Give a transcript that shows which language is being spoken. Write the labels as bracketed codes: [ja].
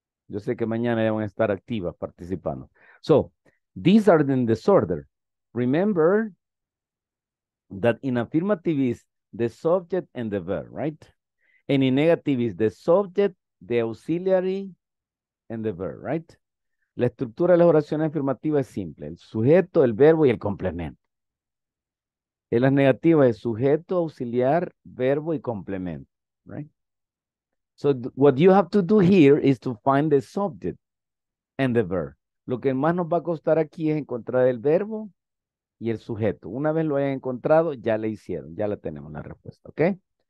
[es] Yo sé que mañana ya van a estar activas participando. [en] So, these are in disorder. Remember that in affirmative is the subject and the verb, right? And in negative is the subject, the auxiliary, and the verb, right? [es] La estructura de las oraciones afirmativas es simple. El sujeto, el verbo y el complemento. En las negativas es sujeto, auxiliar, verbo y complemento, right? [en] So what you have to do here is to find the subject and the verb. [es] Lo que más nos va a costar aquí es encontrar el verbo y el sujeto. Una vez lo hayan encontrado, ya le hicieron, ya la tenemos la respuesta, okay?